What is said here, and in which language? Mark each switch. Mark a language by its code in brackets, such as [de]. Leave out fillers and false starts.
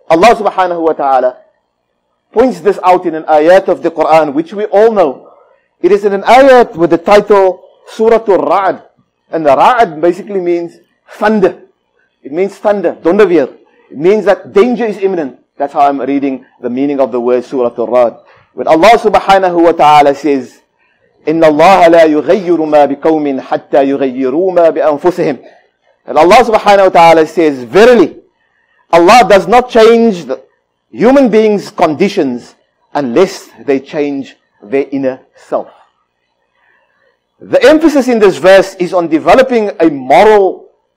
[en] Allah subhanahu wa ta'ala points this out in an ayat of the Quran, which we all know. It is in an ayat with the title Surah Ar-Ra'd. And the Ra'd basically means thunder. It means thunder, [nl] donderweer. [en] It means that danger is imminent. That's how I'm reading the meaning of the word Surah Ar-Ra'd. When Allah subhanahu wa ta'ala says, [ar] إن الله لا يغير ما بقوم حتى يغيروا ما بأنفسهم. [en] And Allah subhanahu wa ta'ala says, verily, Allah does not change the human beings' conditions unless they change their inner self. The emphasis in this verse is on developing a moral